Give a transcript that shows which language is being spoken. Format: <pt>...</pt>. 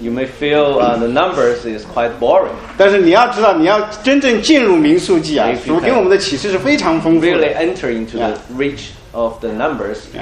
<en>You may feel the numbers is quite boring.</en> <zh>但是你要知道，你要真正进入民数记啊，主给我们的启示是非常丰富的。</zh> <en>Really enter into the reach of the numbers.</en>